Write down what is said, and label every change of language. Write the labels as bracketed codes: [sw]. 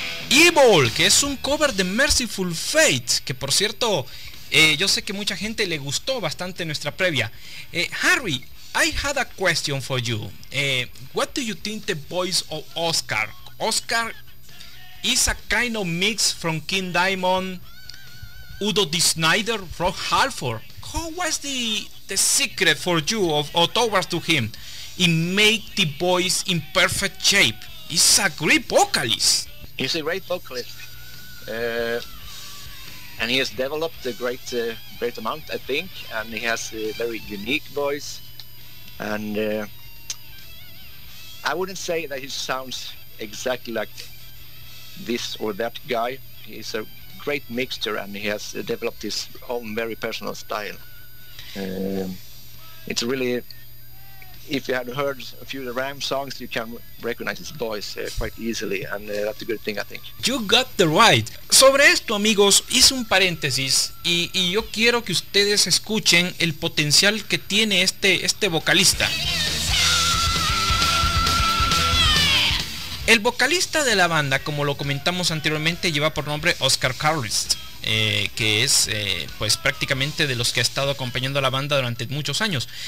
[es] Evil, que es un cover de Mercyful Fate, que por cierto, yo sé que mucha gente le gustó bastante nuestra previa. [en] Harry, I had a question for you. What do you think the voice of Oscar? Oscar is a kind of mix from King Diamond, Udo D. Snyder, Rob Halford. Who was the secret for you of or towards to him? He made the voice in perfect shape. He's a great vocalist. He's a great vocalist, and he has developed a great amount, I think, and he has a very unique voice, and I wouldn't say that he sounds exactly like this or that guy. He's a great mixture, and he has developed his own very personal style. It's really, if you had heard a few of the Ram songs, you can recognize his voice quite easily, and that's a good thing, I think. You got the right. [es] Sobre esto, amigos, hice un paréntesis y yo quiero que ustedes escuchen el potencial que tiene este vocalista. El vocalista de la banda, como lo comentamos anteriormente, lleva por nombre Oscar Carlist, que es pues prácticamente de los que ha estado acompañando a la banda durante muchos años.